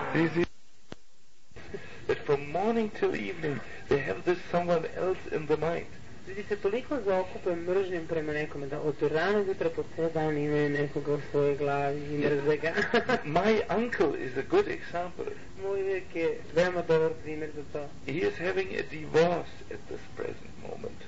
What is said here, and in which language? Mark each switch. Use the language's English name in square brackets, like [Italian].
[English] This is from morning till evening they have this someone else in the mind. [Serbian] ljudi se toliko zaokupe mržnjom prema nekome da od rana jutra po cijel dan imaju nekoga u svojoj glavi i mrze ga. [English] My uncle is a good example. [Serbian] Moj uvijek je veoma dobar primjer za to. [English] He is having a divorce at this present moment.